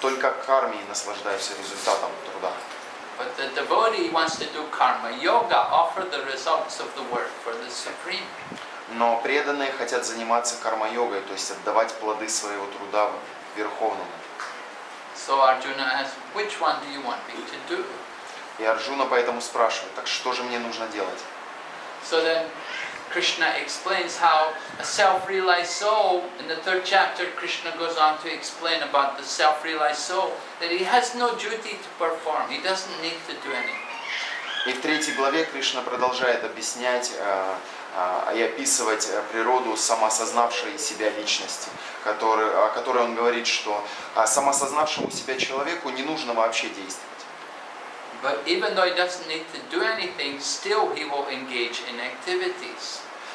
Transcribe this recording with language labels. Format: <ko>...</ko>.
<ru>Только кармии наслаждаются результатом труда.</ru> <en>But the devotee wants to do karma yoga, offer the results of the work for the supreme.</en> <ru>Но преданные хотят заниматься карма-йогой, то есть отдавать плоды своего труда верховному.</ru> <en>So Arjuna asks, which one do you want me to do?</en> <ru>И Арджуна поэтому спрашивает, так что же мне нужно делать?</ru> <en>So then Krishna explains how a self-realized soul, in the third chapter Krishna goes on to explain about the self-realized soul, that he has no duty to perform, he doesn't need to do anything.</en> <ru>И в третьей главе Кришна продолжает объяснять и описывать природу самосознавшей себя личности, о которой он говорит, что самосознавшему себя человеку не нужно вообще действовать.</ru>